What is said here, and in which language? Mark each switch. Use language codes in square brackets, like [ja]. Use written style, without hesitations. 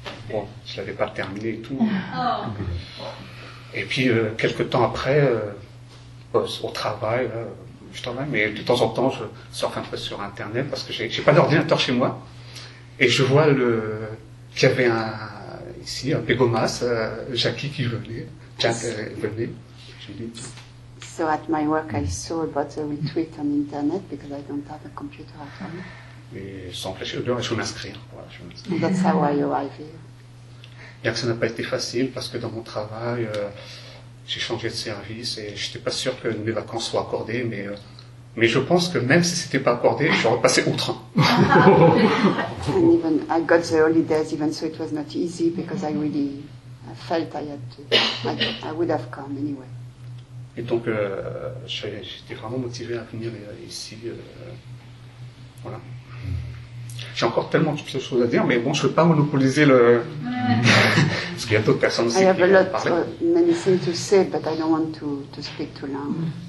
[fr] Je ne l'avais pas terminé et tout. Et puis, quelques temps après, au travail, je travaille, mais de temps en temps, je sors un peu sur Internet parce que je n'ai pas d'ordinateur chez moi. Et je vois qu'il y avait un Pegomas, Jackie qui venait. Jack venait. Je dis, [en] so at my work, I saw about a retweet on Internet because I don't have a computer at home. [fr] Et sans réfléchir, je vais m'inscrire. Voilà, [en] That's how I arrive here. [fr] Bien que ça n'a pas été facile parce que dans mon travail, j'ai changé de service et je n'étais pas sûr que mes vacances soient accordées, mais je pense que même si ce n'était pas accordé, j'aurais passé outre. [en] And even I got the holidays, even so it was not easy because I really felt I would have come anyway. [fr] Et donc, j'étais vraiment motivé à venir ici. Voilà. J'ai encore tellement de choses à dire, mais bon, je ne veux pas monopoliser le. Parce qu'il y a d'autres personnes aussi. [en] I have a lot of many things to say, but I don't want to speak too long.